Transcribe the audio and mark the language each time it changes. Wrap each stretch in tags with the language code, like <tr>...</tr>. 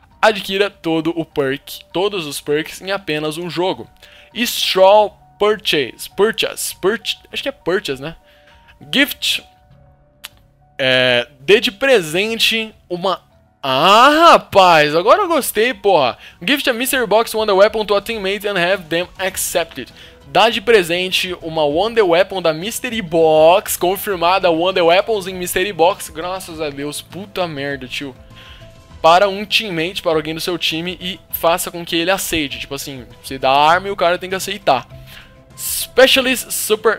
<pt>Adquira todo o perk, todos os perks em apenas um jogo. Straw Purchase. Acho que é Purchase, né? Gift. Dê de presente uma... ah, rapaz, agora eu gostei, porra.</pt> <en>Gift a Mystery Box Wonder Weapon to a teammate and have them accept it.</en> <pt>Dá de presente uma Wonder Weapon da Mystery Box, confirmada Wonder Weapons em Mystery Box, graças a Deus, puta merda, tio. Para um teammate, para alguém do seu time, e faça com que ele aceite. Tipo assim, você dá a arma e o cara tem que aceitar. Specialist Super...</pt>